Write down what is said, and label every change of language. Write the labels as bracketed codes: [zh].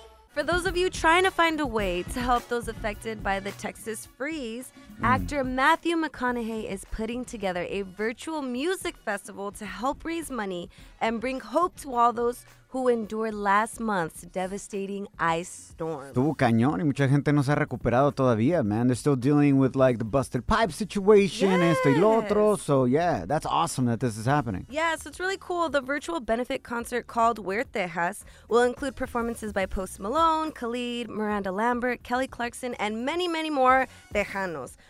[en] For those of you trying to find a way to help those affected by the Texas freeze, actor Matthew McConaughey is putting together a virtual music festival to help raise money and bring hope to all those who endured last month's devastating ice storm. [es] Estuvo cañón y mucha gente no se ha recuperado todavía, man. [en] They're still dealing with, like, the busted pipe situation, yes. [es] Esto y lo otro. [en] So, yeah, that's awesome that this is happening. Yeah, so it's really cool. The virtual benefit concert called Huertejas will include performances by Post Malone, Khalid, Miranda Lambert, Kelly Clarkson, and many, many more Tejanos.